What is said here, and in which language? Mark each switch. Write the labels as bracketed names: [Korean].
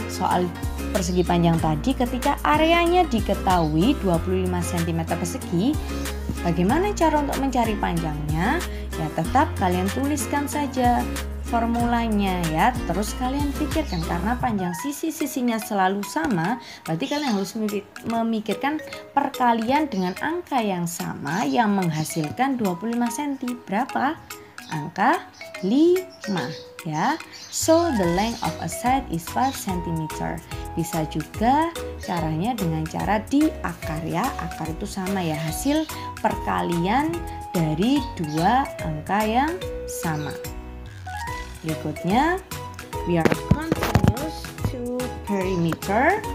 [Indonesian] Soal persegi panjang tadi ketika areanya diketahui 25 cm persegi, bagaimana cara untuk mencari panjangnya? Ya, tetap kalian tuliskan saja formulanya ya. Terus kalian pikirkan, karena panjang sisi-sisinya selalu sama, berarti kalian harus memikirkan perkalian dengan angka yang sama yang menghasilkan 25 cm. Berapa? Angka 5 ya. [English] So the length of a side is 5 cm. [Indonesian] Bisa juga caranya dengan cara diakar ya. Akar itu sama ya, hasil perkalian dari dua angka yang sama. Berikutnya, [English] we are continuous to perimeter.